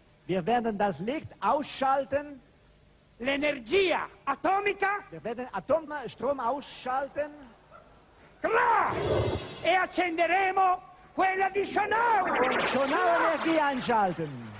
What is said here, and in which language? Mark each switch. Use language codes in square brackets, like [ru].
[de] Wir werden das Licht ausschalten. [it] L'energia atomica. [de] Wir werden Atomstrom ausschalten. Klar! [it] E accenderemo quella di Schonau. [de] Schonau Energie einschalten.